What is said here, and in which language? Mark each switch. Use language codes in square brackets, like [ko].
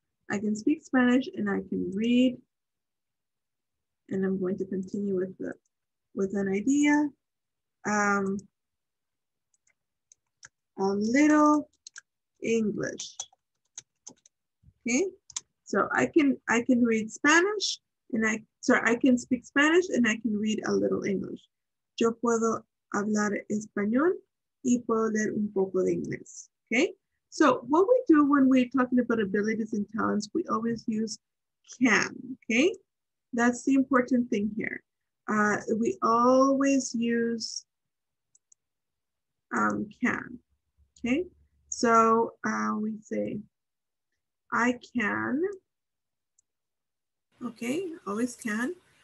[en] I can speak Spanish and I can read. And I'm going to continue with an idea. a little English. Okay, so I can read Spanish and I can speak Spanish and I can read a little English. [es] Yo puedo hablar español y puedo leer un poco de inglés. [en] Okay, so what we do when we're talking about abilities and talents, we always use can. Okay, that's the important thing here. We always use can. Okay, so we say, I can, okay, always can.